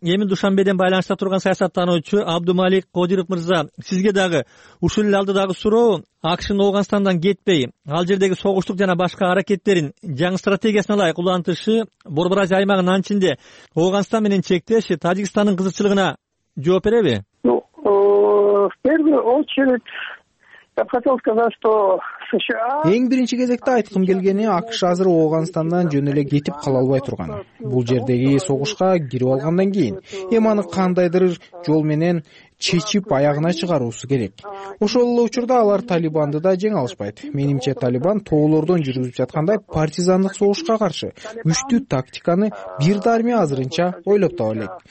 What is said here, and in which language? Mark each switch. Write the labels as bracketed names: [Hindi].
[Kyrgyz] Эми Душанбеден байланышта турган саясаттануучу Абдумалик Кодиров Мырза, сизге дагы ушул эле алдыдагы суроо. АКШнын Ооганстандан кетпей, ал жердеги согуштук жана башка аракеттерин жаңы стратегиясына ылайык улантышы, Борбор Азия аймагынын анын ичинде Ооганстан менен чектеш Тажикстандын кызыкчылыгына жооп береби? [Russian] В первую очередь я бы хотел сказать, что США... [Kyrgyz] Эң биринчи кезекте айткым келгени, АКШ азыр Ооганстандан жөн эле кетип кала албай турган. Бул жердеги согушка кирип алгандан кийин эми аны кандайдыр жол менен чечип аягына чыгаруусу керек. Ошол эле учурда алар Талибанды да жеңе алышпайт. Менимче Талибан тоолордон жүрүп жаткандай партизандык согушка каршы күчтүү тактиканы бир дарме азырынча ойлоп таба элек.